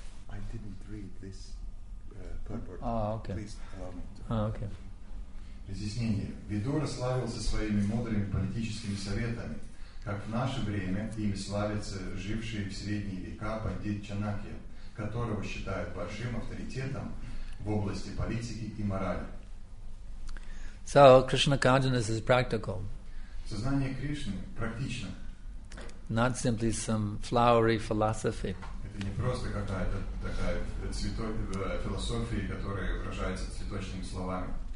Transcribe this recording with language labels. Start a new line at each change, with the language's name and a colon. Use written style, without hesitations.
English: I didn't read this purport. Oh, okay. Please allow me to. Oh, okay.
Russian: Разъяснение. Видура славился своими мудрыми политическими советами, как в наше время ими славятся жившие в средние века Пандит Чанакья, которого считают большим авторитетом в области политики и морали.
English: So, Krishna consciousness is practical.
Russian: Сознание Кришны практично.
English: Not simply some flowery philosophy.
Russian: Это не просто какая-то такая философия, которая выражается цветочными словами.